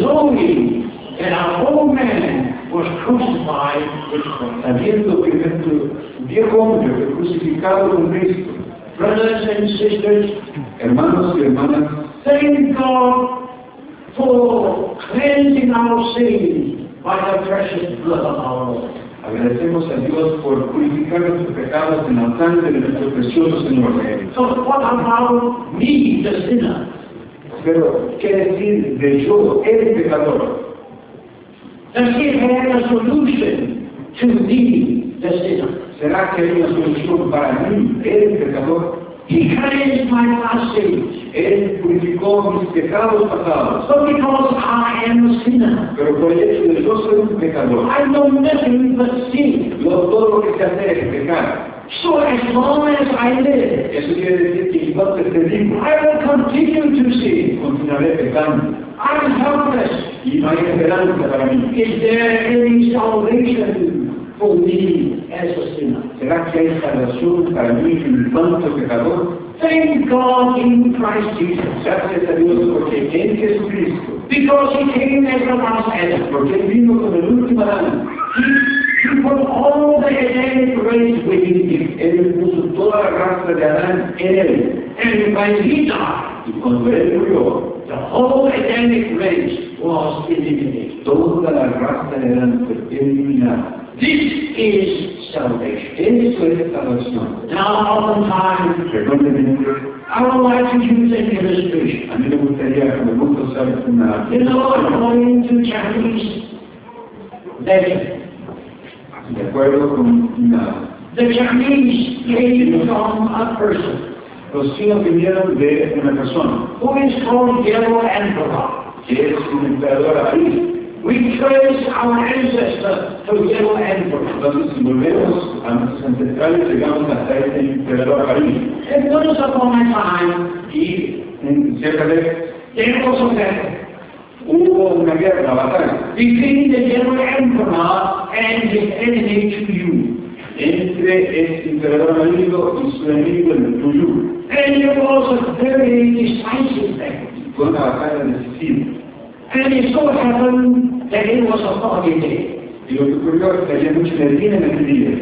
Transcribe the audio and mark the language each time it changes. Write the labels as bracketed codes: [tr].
[en] knowing that a whole man was crucified with Christ. [es] Sabiendo que nuestro viejo hombre fue crucificado con Cristo. [en] Brothers and sisters, [es] hermanos y hermanas, [en] thank God for cleansing our sins by the precious blood of our Lord. [es] Agradecemos a Dios por purificar nuestros pecados en la sangre de nuestro precioso Señor. [en] So what about me, the sinner? [es] Pero, ¿qué decir de yo, el pecador? [en] Does he have a solution to me, the sinner? [es] ¿Será que hay una solución para mí, el pecador? [en] He cleansed my past sins. [es] Él purificó mis pecados pasados. [en] But because I am a sinner. [es] Pero por el hecho de yo soy un pecador. [en] I know nothing but sin. [es] Yo todo lo que sé hacer es pecar. [en] So as long as I live, [es] eso quiere decir que yo estoy vivo, [en] I will continue to sin. [es] Continuaré pecando. [en] I'm helpless. [es] Y no hay esperanza para mí. [en] Is there any salvation for me as a sinner? [es] ¿Será que hay salvación para mí en mi tanto pecador? [en] Thank God in Christ Jesus. [es] Gracias a Dios porque en Jesucristo. [en] Because he came as the last Adam. [es] Porque él vino con el último Adán. [en] He put all the Adamic race within him. [es] Él puso toda la raza de Adán en él. [en] And when he died, [es] y cuando él murió, [en] the whole Adamic race was eliminated. [es] Toda la raza de Adán fue eliminada. [en] This is salvation. [es] Esto es salvación. [en] Now, oftentimes, I would like to use an illustration. [es] A mí me gustaría que me gusta usar una. [en] You know, according to Chinese legend, [es] de acuerdo con una. [en] The Chinese came from a person. [es] Los chinos vinieron de una persona. [en] Who is called Yellow Emperor. [es] Que es un emperador ahí. [en] We trace our ancestors to Yellow Emperor. [es] Entonces, si volvemos a nuestros ancestrales, llegamos hasta este emperador Karim. [en] And once upon a time, he, [es] en cierta vez, [en] there was a battle. [es] Hubo una guerra, una batalla. [en] Between the Yellow Emperor and his enemy Chuyu. [es] Entre este emperador amarillo y su enemigo el Chuyu. [en] And it was a very decisive battle. [es] Fue una batalla decisiva. [en] And it so happened that it was a foggy day. [es] Y lo que ocurrió es que había mucha neblina en ese día.